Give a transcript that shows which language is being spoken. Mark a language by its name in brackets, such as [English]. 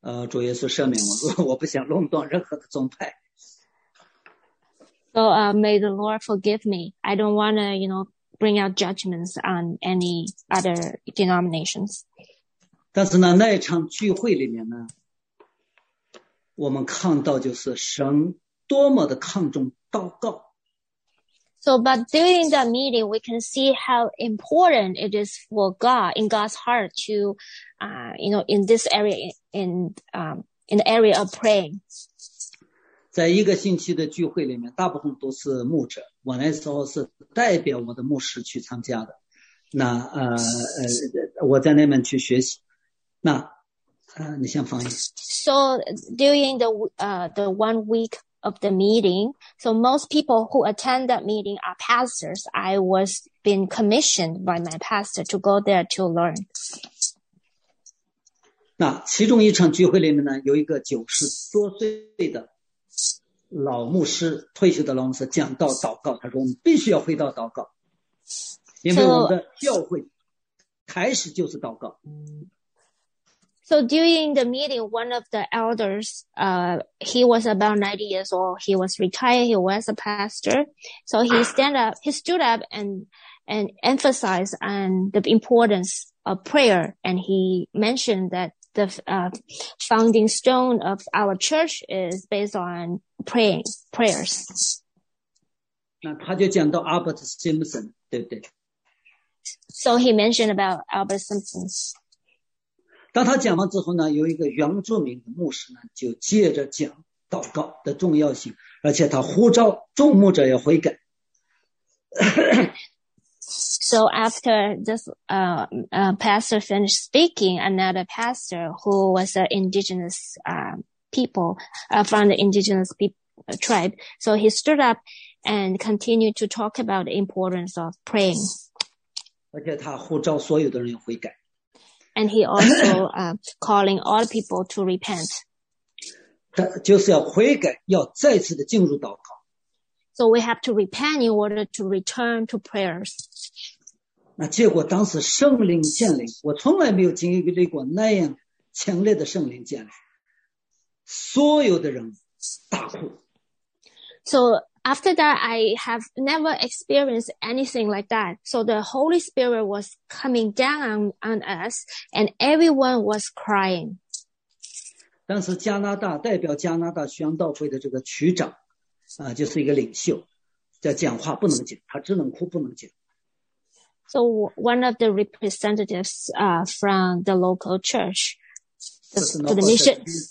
[Chinese] 主耶稣赦免我，我不想垄断任何的宗派。 [English] So may the Lord forgive me. I don't want to, bring out judgments on any other denominations. [Chinese] 但是呢，那一场聚会里面呢，我们看到就是神多么的看重祷告。 [English] So, but during that meeting, we can see how important it is for God in God's heart to, in this area, in the area of praying. [Chinese] 在一个星期的聚会里面，大部分都是牧者。我那时候是代表我的牧师去参加的。那我在那边去学习。那你先翻译。 [English] So during the 1 week of the meeting, so most people who attend that meeting are pastors. I was being commissioned by my pastor to go there to learn. [Chinese] 那其中一场聚会里面呢，有一个90多岁的。老牧师退休的老牧师讲到祷告，他说我们必须要回到祷告，因为我们的教会开始就是祷告。 [English] So during the meeting, one of the elders, he was about 90 years old. He was retired. He was a pastor. So he stood up and emphasized on the importance of prayer. And he mentioned that the founding stone of our church is based on prayers. [Chinese] 那他就讲到 Albert Simpson, 对不对？ [English] So he mentioned about Albert Simpson. [Chinese] 当他讲完之后呢，有一个原住民的牧师呢，就接着讲祷告的重要性，而且他呼召众牧者要悔改。 [English] So after this pastor finished speaking, another pastor who was an indigenous people from the indigenous tribe, so he stood up and continued to talk about the importance of praying. [Chinese] 而且他呼召所有的人悔改。 [English] And he also calling all people to repent. [Chinese] 就是要悔改，要再次的进入祷告。 [English] So we have to repent in order to return to prayers. [Chinese] 那结果当时圣灵降临，我从来没有经历过那样强烈的圣灵降临，所有的人大哭。 [English] So after that, I have never experienced anything like that. So the Holy Spirit was coming down on us, and everyone was crying. [Chinese] 当时加拿大代表加拿大宣道会的这个区长。就是一个领袖，在讲话不能讲，他只能哭不能讲。 [English] So one of the representatives from the local church, for the mission,